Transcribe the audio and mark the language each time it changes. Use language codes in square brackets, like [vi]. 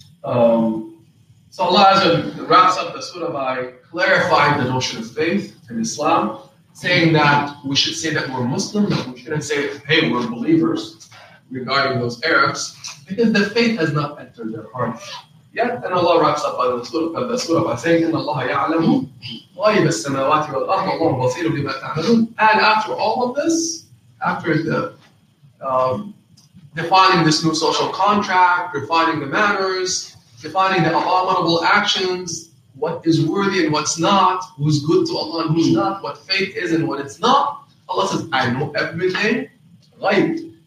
[en] So Allah wraps up the surah by clarifying the notion of faith in Islam, saying that we should say that we're Muslim, but we shouldn't say, hey, we're believers, regarding those Arabs, because the faith has not entered their hearts yet. And Allah wraps up by the surah by saying, [ar] إِنَّ اللَّهَ يَعْلَمُ غَيْبَ السَّمَاوَاتِ وَالْأَرْضِ اللَّهُ بَصِيرٌ بِمَا تَعْمَلُونَ. [en] And after all of this, after the defining this new social contract, refining the manners, defining the abominable actions, what is worthy and what's not, who's good to Allah and who's not, what faith is and what it's not, Allah says, I know everything, right?